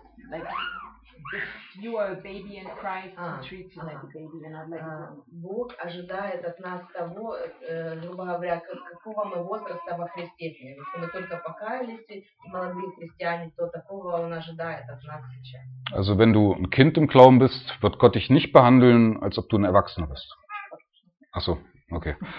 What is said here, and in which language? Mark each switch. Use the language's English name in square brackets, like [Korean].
[English] Like if you are a baby in Christ, he treats you like a baby and not like a grown. [Russian] Бог ожидает от нас того, грубо говоря, какого мы возраста во Христе. Если мы только покаялись, молодые христиане, то такого он ожидает от нас сейчас. [German] Also wenn du ein Kind im Glauben bist, wird Gott dich nicht behandeln, als ob du ein Erwachsener bist. Ach so. Okay.